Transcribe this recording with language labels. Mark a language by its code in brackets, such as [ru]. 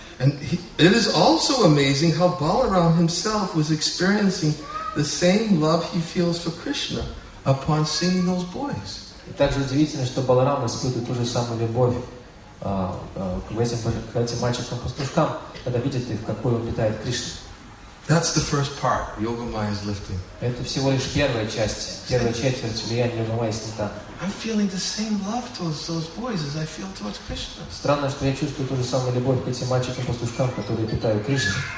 [en] And it is also amazing how Balarama himself was experiencing the same love he feels for Krishna upon seeing those boys. [ru] Также удивительно, что Баларама испытывает ту же самую любовь к этим мальчикам-пастушкам, когда видит их, какой он питает Кришну. [en] That's the first part. Yoga Maya is lifting. [ru] Это всего лишь первая часть, первая четверть влияния Йога Майи снята. [en] I'm feeling the same love towards those boys as I feel towards Krishna. [ru] Странно, что я чувствую ту же самую любовь к этим мальчикам-пастушкам, которые питают Кришну.